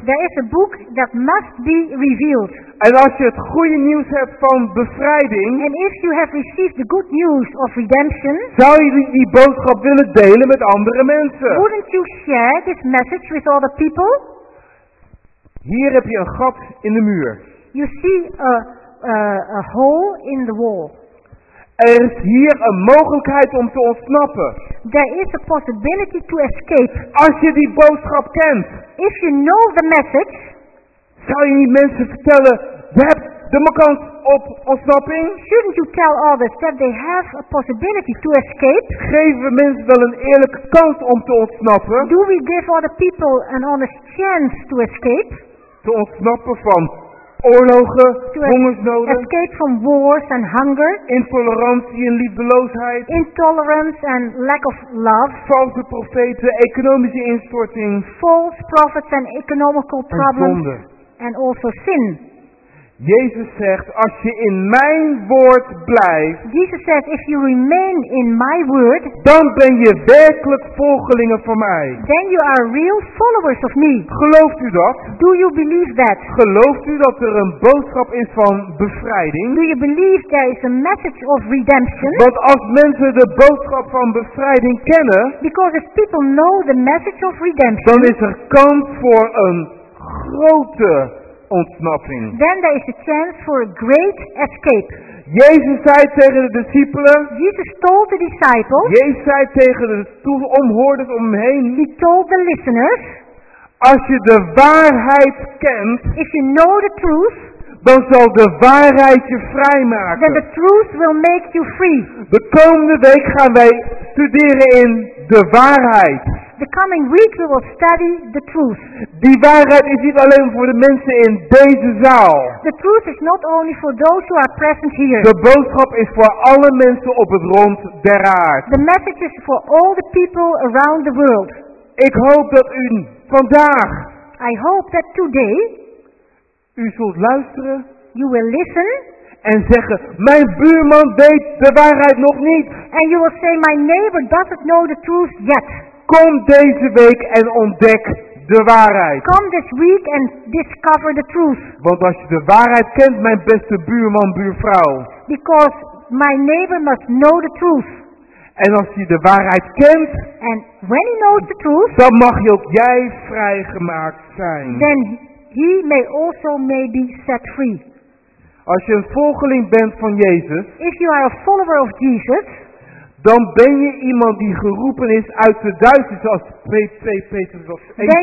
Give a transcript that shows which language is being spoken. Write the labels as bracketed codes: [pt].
[en] There is a book that must be revealed. [nl] En als je het goede nieuws hebt van bevrijding. [en] And if you have received the good news of redemption. [nl] Zou je die boodschap willen delen met andere mensen? [en] Wouldn't you share this message with other people? [nl] Hier heb je een gat in de muur. [en] You see a hole in the wall. [nl] Er is hier een mogelijkheid om te ontsnappen. [en] There is a possibility to escape. [nl] Als je die boodschap kent. [en] If you know the message. [nl] Zou je niet mensen vertellen, je hebt de kans op ontsnapping? [en] Shouldn't you tell others that they have a possibility to escape? [nl] Geven we mensen wel een eerlijke kans om te ontsnappen? [en] Do we give other people an honest chance to escape? [nl] Te ontsnappen van oorlogen, hongersnoden. [en] Escape from wars and hunger. [nl] Intolerantie en liefdeloosheid. [en] Intolerance and lack of love. [nl] False profeten, economische instorting. [en] False prophets and economical problems. [nl] En zonde. [en] And also sin. [nl] Jezus zegt, als je in mijn woord blijft. [en] Jesus said, if you remain in my word. [nl] Dan ben je werkelijk volgelingen van mij. [en] Then you are real followers of me. [nl] Gelooft u dat? [en] Do you believe that? [nl] Gelooft u dat er een boodschap is van bevrijding? [en] Do you believe there is a message of redemption? [nl] Want als mensen de boodschap van bevrijding kennen. [en] Because if people know the message of redemption. [nl] Dan is er kans voor een grote ontsnapping. [en] Then there is a chance for a great escape. [nl] Jezus zei tegen de discipelen. [en] Jesus told the disciples. [nl] Jezus zei tegen de toehoorders om hem heen. [en] He told the listeners. [nl] Als je de waarheid kent. [en] If you know the truth. [nl] Dan zal de waarheid je vrijmaken. [en] Then the truth will make you free. [nl] De komende week gaan wij studeren in de waarheid. [en] The coming week we will study the truth. [nl] Die waarheid is niet alleen voor de mensen in deze zaal. [en] The truth is not only for those who are present here. [nl] De boodschap is voor alle mensen op het rond der aarde. [en] The message is for all the people around the world. [nl] Ik hoop dat u vandaag. [en] I hope that today. [nl] U zult luisteren. [en] You will listen. [nl] En zeggen, mijn buurman weet de waarheid nog niet. [en] And you will say, my neighbor doesn't know the truth yet. [nl] Kom deze week en ontdek de waarheid. [en] Come this week and discover the truth. [nl] Want als je de waarheid kent, mijn beste buurman, buurvrouw. [en] Because my neighbor must know the truth. [nl] En als je de waarheid kent. [en] And when he knows the truth. [nl] Dan mag je ook jij vrijgemaakt zijn. [en] Then he may also may be set free. [nl] Als je een volgeling bent van Jezus. [en] If you are a follower of Jesus. [nl] Dan ben je iemand die geroepen is uit de duisternis, zoals 2 Petrus of 1 Petrus zegt.